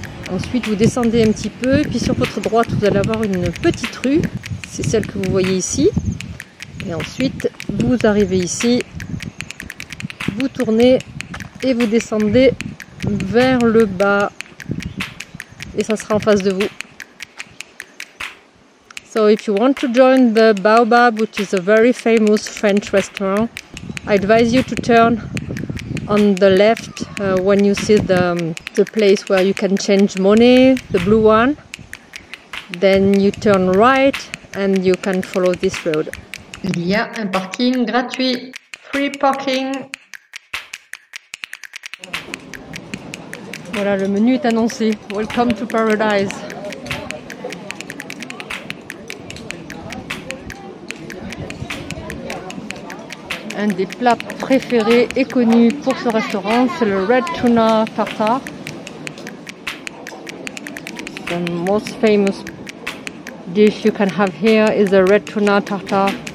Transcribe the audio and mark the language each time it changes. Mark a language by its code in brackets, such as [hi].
[fr] Ensuite vous descendez un petit peu et puis sur votre droite vous allez avoir une petite rue, c'est celle que vous voyez ici, et ensuite vous arrivez ici, vous tournez et vous descendez vers le bas et ça sera en face de vous. [en] So if you want to join the Baobab, which is a very famous French restaurant, I advise you to turn on the left when you see the place where you can change money, the blue one. Then you turn right and you can follow this road. [fr] Il y a un parking gratuit, [en] free parking. [fr] Voilà, le menu est annoncé. [en] Welcome to paradise. [fr] Un des plats préférés et connus pour ce restaurant, c'est le red tuna tartare. [en] The most famous dish you can have here is a red tuna tartare.